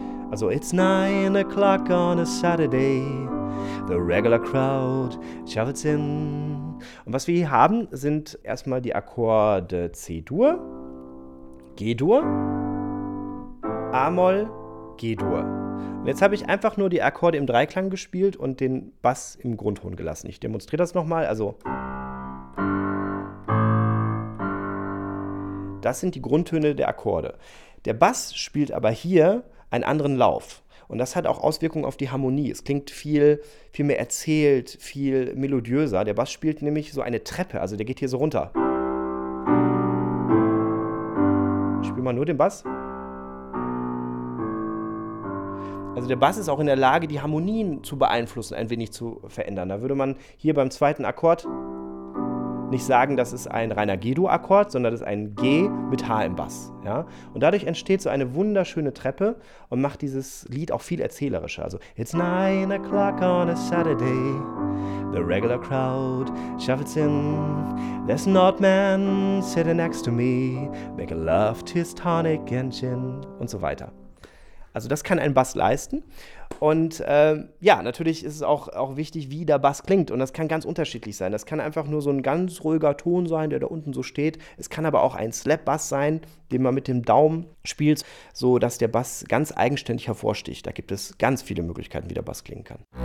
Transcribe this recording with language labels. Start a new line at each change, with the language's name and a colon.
English: Also, it's 9 o'clock on a Saturday. The regular crowd shovels in.
German: Und was wir hier haben, sind erstmal die Akkorde C-Dur, G-Dur, A-Moll, G-Dur. Und jetzt habe ich einfach nur die Akkorde im Dreiklang gespielt und den Bass im Grundton gelassen. Ich demonstriere das nochmal. Also, das sind die Grundtöne der Akkorde. Der Bass spielt aber hier einen anderen Lauf. Und das hat auch Auswirkungen auf die Harmonie. Es klingt viel, viel mehr erzählt, viel melodiöser. Der Bass spielt nämlich so eine Treppe. Also, der geht hier so runter. Ich spiele mal nur den Bass. Also der Bass ist auch in der Lage, die Harmonien zu beeinflussen, ein wenig zu verändern. Da würde man hier beim zweiten Akkord nicht sagen, das ist ein reiner G-Dur-Akkord, sondern das ist ein G mit H im Bass. Ja? Und dadurch entsteht so eine wunderschöne Treppe und macht dieses Lied auch viel erzählerischer.
English: Also, it's 9 o'clock on a Saturday, the regular crowd shuffles in. There's an old man sitting next to me, making love to his tonic and gin.
German: Und so weiter. Also das kann ein Bass leisten und natürlich ist es auch wichtig, wie der Bass klingt und das kann ganz unterschiedlich sein. Das kann einfach nur so ein ganz ruhiger Ton sein, der da unten so steht. Es kann aber auch ein Slap-Bass sein, den man mit dem Daumen spielt, so dass der Bass ganz eigenständig hervorsticht. Da gibt es ganz viele Möglichkeiten, wie der Bass klingen kann.